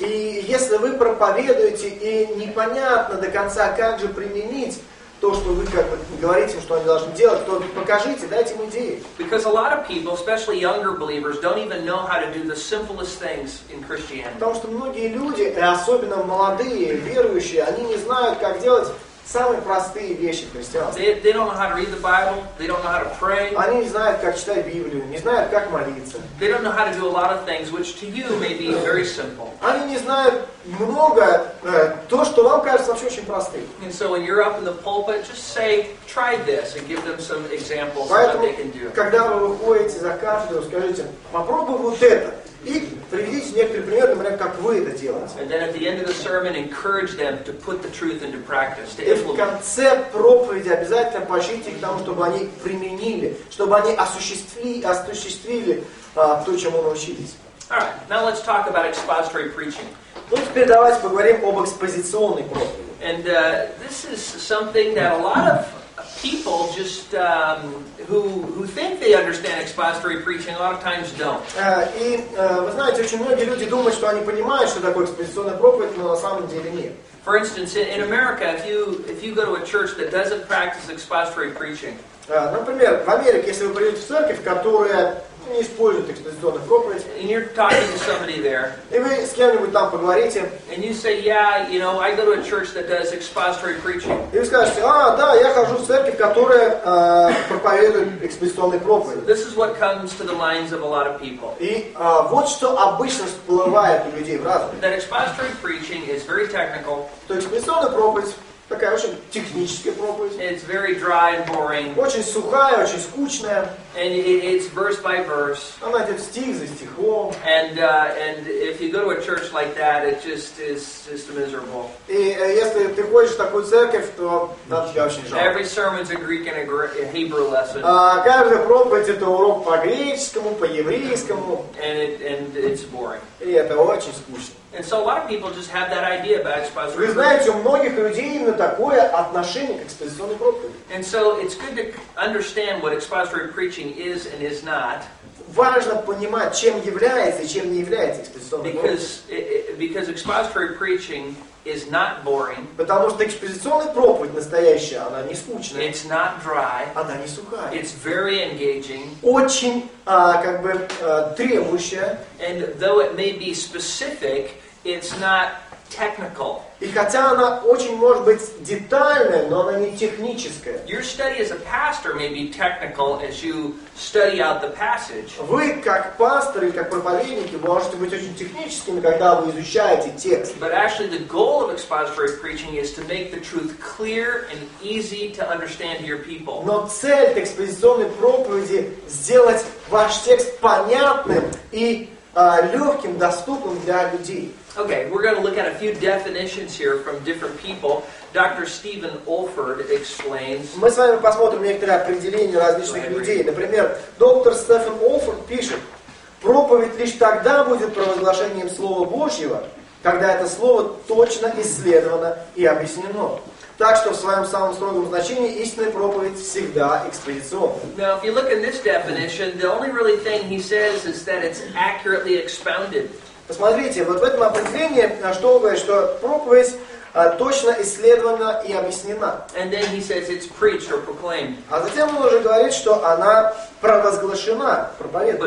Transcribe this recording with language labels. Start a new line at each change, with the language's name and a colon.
Russian: И если вы проповедуете и непонятно до конца, как же применить то, что вы как бы говорите, что они должны делать, то покажите, дайте им идеи.
English: Because a lot of people, especially younger believers, don't even know how to do the simplest things in Christianity.
Russian: Потому что многие люди, и особенно молодые верующие, они не знают, как делать самые простые вещи в христианстве.
English: They don't know how to read the Bible. They don't know how to pray.
Russian: Они не знают, как читать Библию, не знают, как молиться.
English: They don't know how to do a lot of things, which to you may be very simple.
Russian: Они не знают многое, то, что вам кажется вообще очень простым.
English: And so when you're up in the pulpit, just say, try this, and give them some examples.
Russian: Поэтому,
English: of what they can do.
Russian: Когда вы выходите за кафедру, скажите, попробуй вот это. И приведите некоторые примеры, например, как вы это делаете.
English: And then at the end of the sermon, encourage them to put the truth into practice.
Russian: И в конце проповеди обязательно поощрите их к тому, чтобы они применили, чтобы они осуществили то, чему научились.
English: Alright, now let's talk about expository preaching.
Russian: Ну, теперь давайте поговорим об экспозиционной проповеди.
English: And this is something that a lot of people just who think they understand expository preaching a lot of times don't.
Russian: Вы знаете, очень многие люди думают, что они понимают, что такое экспозиционная проповедь, но на самом деле нет.
English: For instance, in America, if you go to a church that doesn't practice expository preaching.
Russian: Например, в Америке, если вы придете в церковь, которая не используют экспозиционных проповедей.
English: And you're talking to somebody there.
Russian: И вы с кем-нибудь там поговорите.
English: And you say, yeah, you know, I go to a church that does expository preaching.
Russian: И вы скажете, а, да, я хожу в церковь, которая проповедует экспозиционные проповеди.
English: This is what comes to the minds of a lot of people.
Russian: И вот что обычно всплывает у людей в разуме.
English: That expository preaching is very technical.
Russian: То экспозиционная проповедь такая очень техническая проповедь.
English: It's very dry and boring.
Russian: Очень сухая, очень скучная.
English: And it's verse by verse.
Russian: Она идет стих за стихом.
English: And if you go to a church like that, it just is just miserable.
Russian: И если ты ходишь в такую церковь, то да, тебя очень жалко.
English: Every sermon's a Greek and a Hebrew lesson.
Russian: Каждая проповедь это урок по греческому, по еврейскому.
English: And it's boring.
Russian: И это очень скучно.
English: And so a lot of people just have that idea about expository.
Russian: Вы знаете, у многих людей именно такое отношение к экспозиционной проповеди.
English: And so it's good to understand what expository preaching is and is not.
Russian: Важно понимать, чем является и чем не является экспозиционная проповедь.
English: Because expository preaching is not boring.
Russian: Потому что экспозиционная проповедь настоящая, она не скучная.
English: It's not dry.
Russian: Она не сухая.
English: It's very engaging.
Russian: Очень, как бы, требующая.
English: And though it may be specific, it's not technical.
Russian: И хотя она очень может быть детальная, но она не техническая.
English: Your study as a pastor may be technical as you study out the passage.
Russian: Вы как пастор или как проповедники можете быть очень техническими, когда вы изучаете текст.
English: But actually, the goal of expository preaching is to make the truth clear and easy to understand to your people.
Russian: Но цель экспозиционной проповеди сделать ваш текст понятным и легким, доступным для людей.
English: Okay, we're going to look at a few definitions here from different people. Dr. Stephen Olford explains.
Russian: Мы с вами посмотрим некоторые определения различных людей. Например, доктор Стефан Олфорд пишет: проповедь лишь тогда будет провозглашением Слова Божьего, когда это слово точно исследовано и объяснено. Так что в своем самом строгом значении истинная проповедь всегда экспозиционна.
English: Now, if you look in this definition, the only really thing he says is that it's accurately expounded.
Russian: Посмотрите, вот в этом определении, что он говорит, что проповедь точно исследована и объяснена.
English: And then he says it's preached or proclaimed.
Russian: А затем он уже говорит, что она провозглашена, проповедована.